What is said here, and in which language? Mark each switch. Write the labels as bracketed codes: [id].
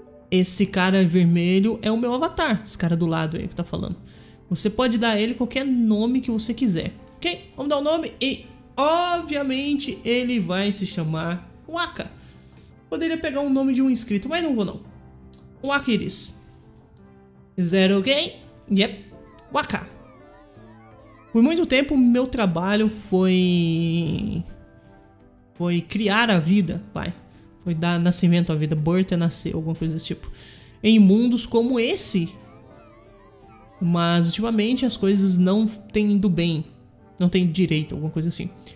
[pt] Esse cara vermelho é o meu avatar. Esse cara do lado aí que tá falando. Você pode dar a ele qualquer nome que você quiser. Ok, vamos dar um nome e, obviamente, ele vai se chamar Waka. Poderia pegar o nome de um inscrito, mas não vou não. [en] Waka it is. Is that okay? Yep. Waka. [pt] Por muito tempo, meu trabalho foi... foi criar a vida, vai. Foi dar nascimento à vida. Birth é nascer, alguma coisa desse tipo. Em mundos como esse. Mas, ultimamente, as coisas não têm ido bem. Não têm direito, alguma coisa assim.